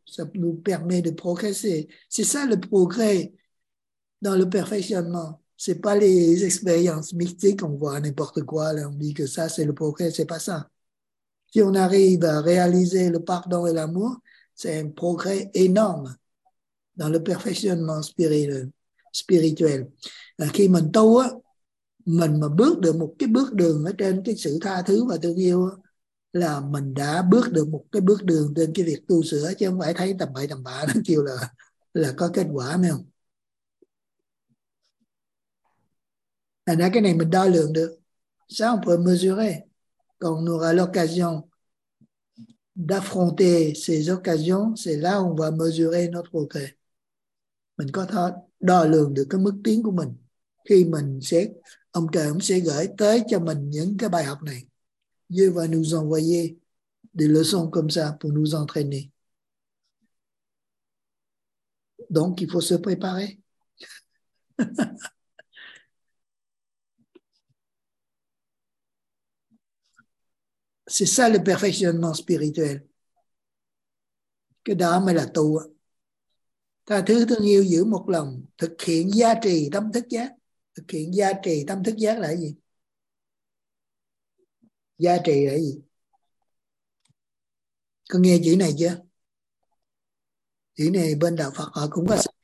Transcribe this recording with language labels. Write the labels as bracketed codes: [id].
[fr] Ça nous permet de progresser. C'est ça le progrès dans le perfectionnement. Ce n'est pas les expériences mystiques, on voit n'importe quoi, là, on dit que ça, c'est le progrès, ce n'est pas ça. Si on arrive à réaliser le pardon et l'amour, c'est un progrès énorme dans le perfectionnement spirituel. [vi] Khi mình tu á, mình mà bước được một cái bước đường ở trên cái sự tha thứ và thương yêu á, là mình đã bước được một cái bước đường trên cái việc tu sửa, chứ không phải thấy tầm bậy tầm bạ nó kêu là có kết quả, phải không? Thành ra cái này mình đo lường được. [fr] Ça on peut mesurer. Quand on aura l'occasion d'affronter ces occasions, c'est là où on va mesurer notre progrès. [vi] Mình có thể đo lường được cái mức tiến của mình khi mình sẽ, ông trời ông sẽ gửi tới cho mình những cái bài học này. [fr] Dieu va nous envoyer des leçons comme ça pour nous entraîner. Donc, il faut se préparer. C'est ça le perfectionnement spirituel. [vi] Cái đó mới là tu. Tha thứ thương yêu giữ một lòng, thực hiện gia trì tâm thức giác. Thực hiện gia trì tâm thức giác là gì? Gia trì là gì? Có nghe chữ này chưa? Chữ này bên Đạo Phật họ cũng có.